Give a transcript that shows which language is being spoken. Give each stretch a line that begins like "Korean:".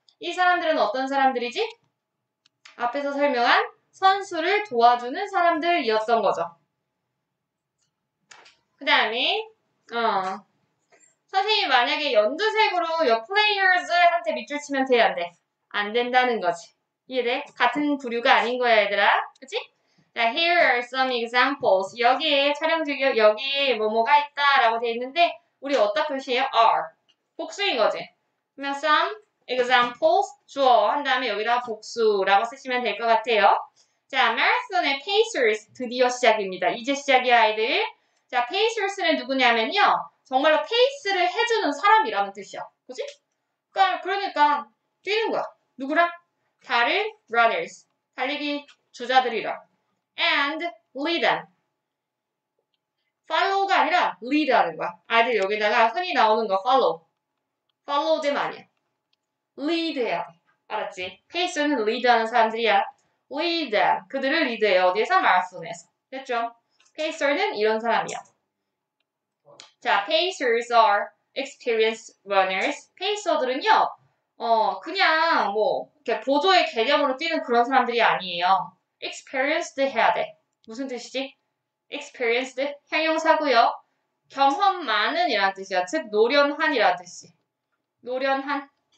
Korean: 이 사람들은 어떤 사람들이지? 앞에서 설명한 선수를 도와주는 사람들이었던 거죠. 그 다음에, 선생님이 만약에 연두색으로
English: your players
Korean: 한테 밑줄 치면 돼야 안 돼. 안 된다는 거지. 이해돼? 같은 부류가 아닌 거야, 얘들아. 그치?
English: 자, here are some examples.
Korean: 여기에 촬영 중이요. 여기에 뭐뭐가 있다라고 돼 있는데, 우리 어디다 표시해요? are. 복수인 거지. 그러면
English: some examples
Korean: 주어. 한 다음에 여기다 복수라고 쓰시면 될것 같아요. 자, 마라톤의 Pacers. 드디어 시작입니다. 이제 시작이야, 아이들. 자, Pacers는 누구냐면요. 정말로 페이스를 해주는 사람이라는 뜻이야. 그지? 그러니까, 뛰는 거야. 누구랑? 다른
English: runners.
Korean: 달리기 주자들이랑.
English: And lead them.
Korean: follow가 아니라 lead 하는 거야. 아이들 여기다가 흔히 나오는 거 follow.
English: follow them
Korean: 아니야. lead야. 알았지? 페이스는 lead 하는 사람들이야.
English: lead them.
Korean: 그들을 lead해요. 어디에서? 마라톤에서. 됐죠? 페이스는 이런 사람이야.
English: 자, Pacers are experienced runners.
Korean: 페이서들은요, 그냥 뭐 이렇게 보조의 개념으로 뛰는 그런 사람들이 아니에요. Experienced 해야 돼. 무슨 뜻이지? Experienced 형용사고요. 경험 많은 이란 뜻이야. 즉, 노련한이란 뜻이. 노련한.